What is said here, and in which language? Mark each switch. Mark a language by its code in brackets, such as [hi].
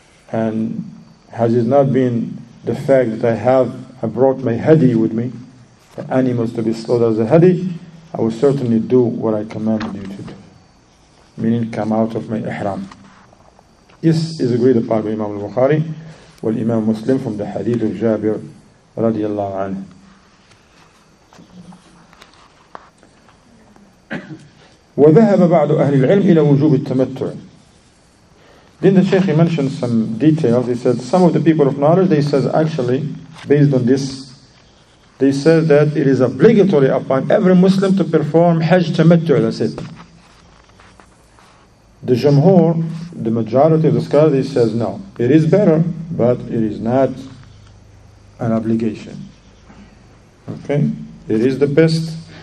[en] And has it not been the fact that I brought my hadi with me, the animals to be slaughtered as a hadi, I will certainly do what I commanded you to do. Meaning come out of my ihram. This is agreed upon by Imam al-Bukhari wal Imam Muslim from the hadith of Jabir radiallahu anhu. [ar] وذهب بعض أهل العلم إلى وجوب التمتع. [en] Then the Sheikh mentioned some details. He said some of the people of knowledge, they said actually, based on this, they said that it is obligatory upon every Muslim to perform Hajj tamattu. That's it. The Jamhur, the majority of the scholars, they says no. It is better, but it is not an obligation. Okay? It is the best.